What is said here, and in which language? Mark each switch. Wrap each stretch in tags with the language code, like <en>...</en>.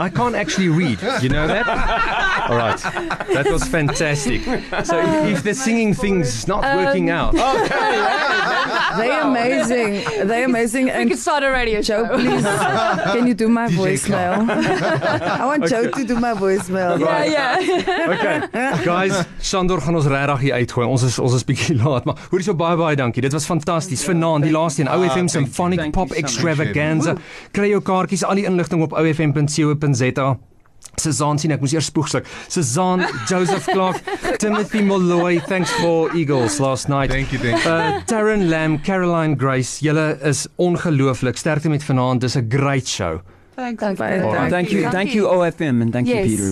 <en>I can't actually read. You know that? All right. That was fantastic. So if the singing thing's not working out. Okay. They're amazing. They're amazing. We can start already. Joe, please, can you do my voicemail? I want Joe to do my voicemail. Yeah, yeah. Okay, guys,</en> <af>Shandor gaan ons regtig hier uitgooi. Ons is bietjie laat, maar hoorie so baie dankie. Dit was fantasties. Vanaand, die laaste een, OFM Symphonic Pop Extravaganza. Kry jou kaartjies, al die inligting op ofm.co.za. Suzanne, sien, ek moes eers spoegslik.</af> <en>Suzanne, Joseph Clark, Timothy Molloy, thanks for Eagles last night. Thank you.</en> <af>Taryn Lamb, Caroline Grace, julle is ongelooflik. Sterkte met vanaand, dis 'n great show.</af> <en>Thank you, OFM, and thank you, Peter.</en>